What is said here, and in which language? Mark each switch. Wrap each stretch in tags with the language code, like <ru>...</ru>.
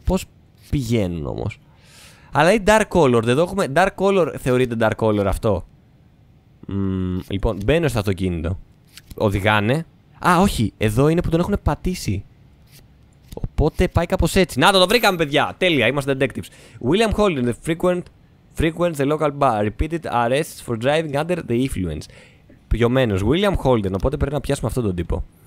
<el>Πώς πηγαίνουν όμως. Αλλά είναι dark color, εδώ έχουμε dark color, θεωρείται dark color αυτό. Λοιπόν, μπαίνω στο αυτοκίνητο. Οδηγάνε. Α, όχι, εδώ είναι που τον έχουν πατήσει. Οπότε πάει κάπως έτσι. Να το βρήκαμε, παιδιά! Τέλεια, είμαστε detectives.</el> <en>William Holden, the frequent the local bar, repeated arrests for driving under the influence.</en> <el>Πιωμένος. William Holden, οπότε πρέπει να πιάσουμε αυτόν τον τύπο.</el>